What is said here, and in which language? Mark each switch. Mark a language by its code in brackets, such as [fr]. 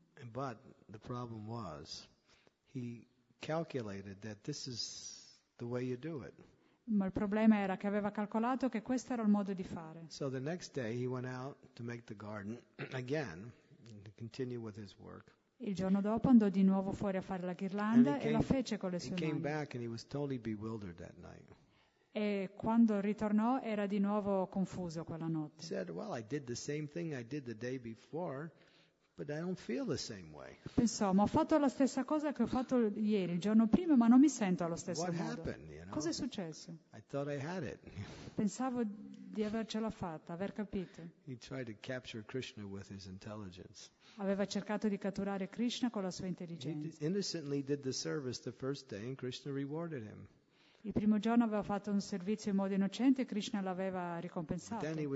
[en] But the problem was, he calculated that this is the way you do it. [it] Ma il problema era che aveva calcolato che questo era il modo di fare. [en] So the next day he went out to make the garden again to continue with his work. [it] Il giorno dopo andò di nuovo fuori a fare la ghirlanda e la fece con le sue mani. [en] He came back and he was totally bewildered that night. [it] E quando ritornò era di nuovo confuso quella notte. [en] Said, well, I did the same thing I did the day before, but I don't feel the same way. [it] Pensò, ma ho fatto la stessa cosa che ho fatto ieri, il giorno prima, ma non mi sento allo stesso [en] What [it] modo. [en] Happened, you know? [it] Cosa è successo? [en] I thought I had it. [it] Pensavo di avercela fatta, aver capito. [en] He tried to capture Krishna with his intelligence. [it] Aveva cercato di catturare Krishna con la sua intelligenza. [en] He innocently did the service the first day and Krishna rewarded him. [it] Il primo giorno aveva fatto un servizio in modo innocente e Krishna l'aveva ricompensato.